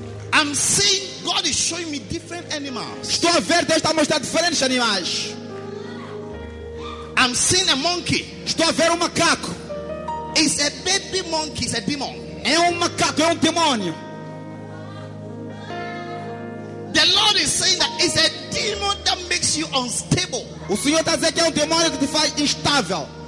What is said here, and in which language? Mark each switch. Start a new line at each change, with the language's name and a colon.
English: I'm seeing God is showing me different animals.
Portuguese: Estou a ver, Deus está a mostrar diferentes animais.
English: I'm seeing a monkey.
Portuguese: Estou a ver um macaco.
English: It's a baby monkey. It's a demon.
Portuguese: É um macaco. É um demônio.
English: The Lord is saying that it's a demon that makes you unstable.
Portuguese: O Senhor está dizendo que é um demônio que te faz instável.